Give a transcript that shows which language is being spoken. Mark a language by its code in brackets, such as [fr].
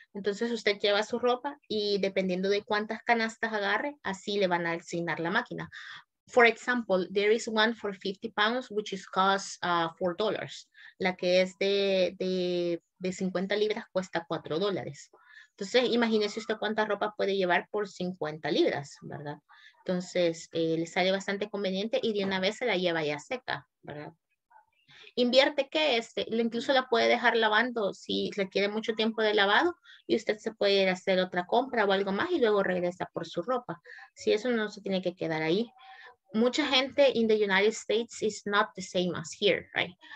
[es] Entonces usted lleva su ropa y dependiendo de cuántas canastas agarre, así le van a asignar la máquina. [en] For example, there is one for 50 pounds, which is cost $4. [es] La que es de 50 libras cuesta $4. Entonces, imagínese usted cuánta ropa puede llevar por 50 libras, ¿verdad? Entonces, le sale bastante conveniente y de una vez se la lleva ya seca, ¿verdad? Invierte que incluso la puede dejar lavando si requiere mucho tiempo de lavado y usted se puede ir a hacer otra compra o algo más y luego regresa por su ropa. Si eso no se tiene que quedar ahí. Mucha gente [en] in the United States is not the same as here, right?